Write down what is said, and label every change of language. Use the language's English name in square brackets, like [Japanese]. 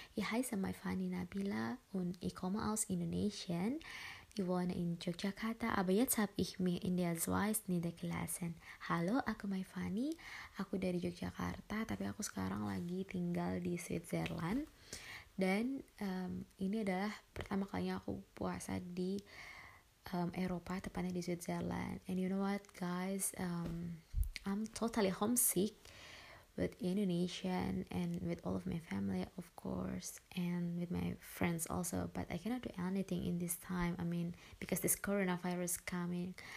[German] Ich heiße mein Fanny Nabila und ich komme aus Indonesien. Ich wohne in Yogyakarta, aber jetzt habe ich mich in der Schweiz niedergelassen. [Indonesian] Hallo, aku mein Fanny. Aku dari Yogyakarta, tapi aku sekarang lagi tinggal di Switzerland. Dan ini adalah pertama kalinya aku puasa di Eropa, tepatnya di Switzerland. [English] And you know what, guys? I'm totally homesick with Indonesia and with all of my family, of course, and with my friends also. But I cannot do anything in this time. I mean, because this coronavirus coming.